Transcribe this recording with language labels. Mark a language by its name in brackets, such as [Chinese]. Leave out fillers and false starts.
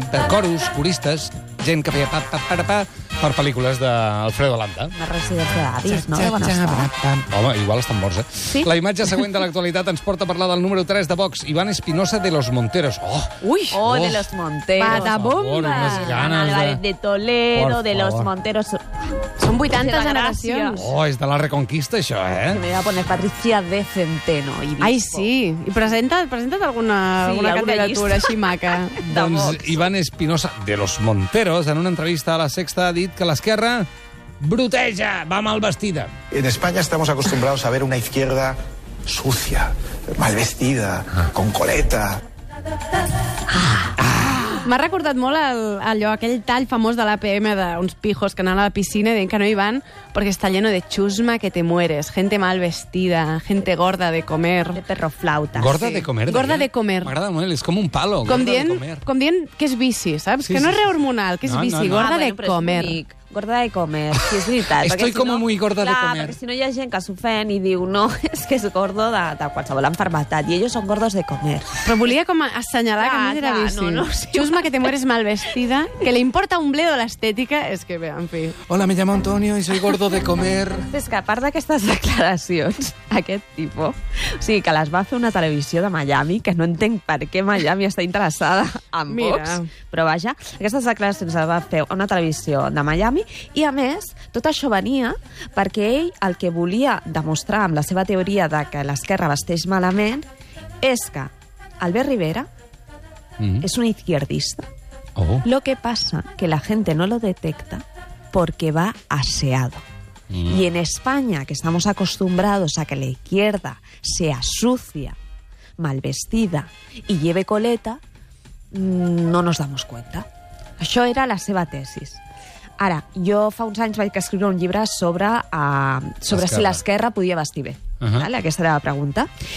[Catalan] Coros, coristes, gent que feia pa-pa-pa-ra-pa per pel·lícules d'Alfredo Landa. Una residència d'avis, no? Home, igual estan morts, eh? Sí? La imatge següent de l'actualitat ens porta a parlar del número 3 de Vox, Iván Espinosa de los Monteros. Oh! Ui! Oh, de los Monteros. Patabomba! [Spanish] Por favor, [Catalan] unes ganes de... De Toledo, de los Monteros... Són 80 generacions. Oh, és de la Reconquista, això, eh? [Spanish] Me voy a poner Patricia de Centeno. Ibispo. [Catalan] Ai, sí. I presenta't alguna candidatura així maca. Doncs Iván Espinosa, de los Monteros, en una entrevista a La Sexta, ha dit que l'esquerra bruteja, va mal vestida. [Spanish] En España estamos acostumbrados a ver una izquierda sucia, mal vestida, con coleta. [Catalan] M'ha recordat molt allò, aquell tall famós de l'APM d'uns pijos que anaven a la piscina i deien que no hi van perquè està [Spanish] lleno de chusma que te mueres, gente mal vestida, gente gorda de comer. De perro flauta. Gorda sí. De comer. Gorda de comer. [Catalan] M'agrada molt, és com un palo. Com dient que és bici, saps? Sí, que no és rehormonal, que és bici. [Spanish] Gorda de comer. Gorda de comer, sí, [Catalan] és veritat. [Spanish] Estoy como muy gorda de comer. [Catalan] Clar, perquè si no hi ha gent que s'ofèn i diu no, és que és gordo de qualsevol enfermedad. [Spanish] I ellos son gordos de comer. [Catalan] Però volia com assenyalar que no era bici. [Spanish] Chusma que te mueres mal vestida, que le importa un bledo l'estètica, [Catalan] és que bé, en fi. [Spanish] Hola, me llamo Antonio y soy gordo de comer. [Catalan] És que a part d'aquestes declaracions, aquest tipus, o sigui, que les va fer una televisió de Miami, que no entenc per què Miami està interessada en Vox, però vaja, aquestes declaracions les va fer una televisió de Miami, i a més, tot això venia perquè ell el que volia demostrar amb la seva teoria de que l'esquerra vesteix malament és que Albert Rivera és un izquierdista. [Spanish] Lo que pasa que la gente no lo detecta porque va aseado. Y en España, que estamos acostumbrados a que la izquierda sea sucia, mal vestida y lleve coleta, no nos damos cuenta. [Catalan] Això era la seva tesis. Ara, jo fa uns anys vaig escriure un llibre sobre si l'esquerra podia vestir bé. Uh-huh. Aquesta era la pregunta.